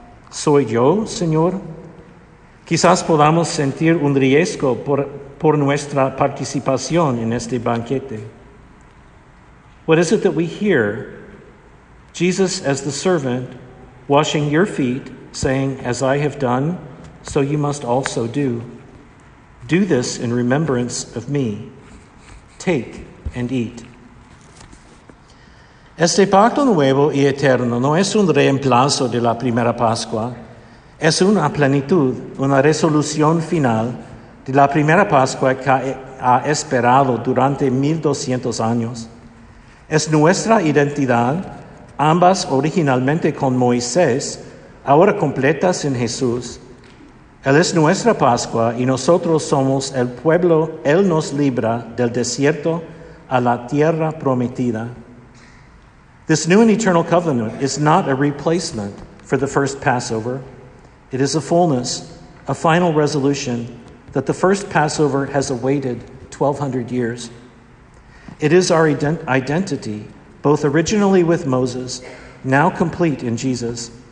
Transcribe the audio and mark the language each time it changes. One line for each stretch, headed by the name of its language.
Spanish: ¿Soy yo, Señor? Quizás podamos sentir un riesgo por nuestra participación en este banquete.
English: What is it that we hear? Jesus as the servant, washing your feet, saying, as I have done, so you must also do. Do this in remembrance of me. Take and eat.
Spanish: Este pacto nuevo y eterno no es un reemplazo de la primera Pascua. Es una plenitud, una resolución final de la primera Pascua que ha esperado durante 1200 años. Es nuestra identidad, ambas originalmente con Moisés, ahora completas en Jesús. Él es nuestra Pascua y nosotros somos el pueblo. Él nos libra del desierto a la tierra prometida.
English: This new and eternal covenant is not a replacement for the first Passover. It is a fullness, a final resolution that the first Passover has awaited 1,200 years. It is our identity, both originally with Moses, now complete in Jesus.